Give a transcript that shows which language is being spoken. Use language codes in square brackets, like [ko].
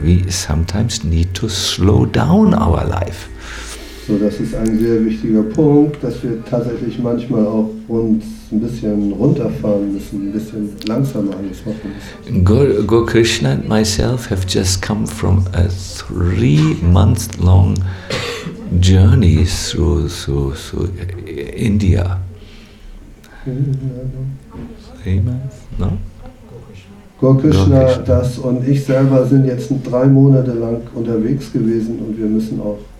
[en] We sometimes need to slow down our life. [de] So, das ist ein sehr wichtiger Punkt, dass wir tatsächlich manchmal auch uns ein bisschen runterfahren müssen, ein bisschen langsamer alles machen müssen. [en] Guru Krishna and myself have just come from a 3-month-long journey through India. 3 months, no? [de] Guru Krishna, das und ich selber sind jetzt 3 Monate lang unterwegs gewesen und wir müssen auch